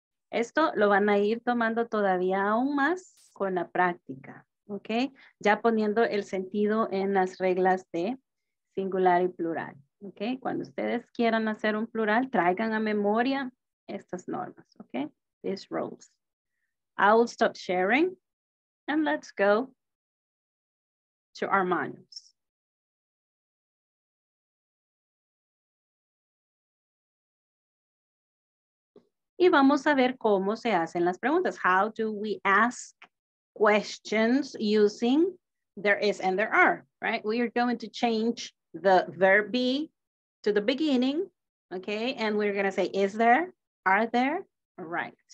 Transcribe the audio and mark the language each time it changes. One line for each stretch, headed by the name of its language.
Spanish: Esto lo van a ir tomando todavía aún más con la práctica, ¿ok? Ya poniendo el sentido en las reglas de singular y plural, ¿ok? Cuando ustedes quieran hacer un plural, traigan a memoria estas normas, ¿ok?
English: These rules. I will stop sharing and let's go to our manuals.
Spanish: Y vamos a ver cómo se hacen las preguntas.
English: How do we ask questions using there is and there are, right? We are going to change the verb be to the beginning, okay? And we're gonna say, is there, are there, right?